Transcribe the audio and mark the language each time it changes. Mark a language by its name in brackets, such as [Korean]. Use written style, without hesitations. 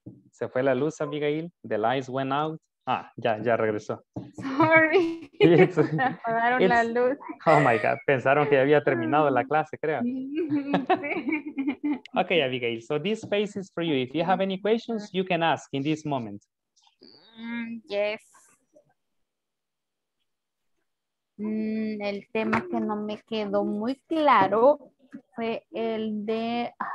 [Spanish] Se fue la luz, Abigail. [English] The lights went out. [Spanish] Ah, ya regresó. [English] Sorry. It's, [Spanish] me apagaron la luz. [English] Oh my God. [Spanish] Pensaron que ya había terminado la clase, creo. [English] Sí. Okay, Abigail. So this space is for you. If you have any questions, you can ask in this moment. Yes. [Spanish] El tema que no me quedó muy claro fue el de.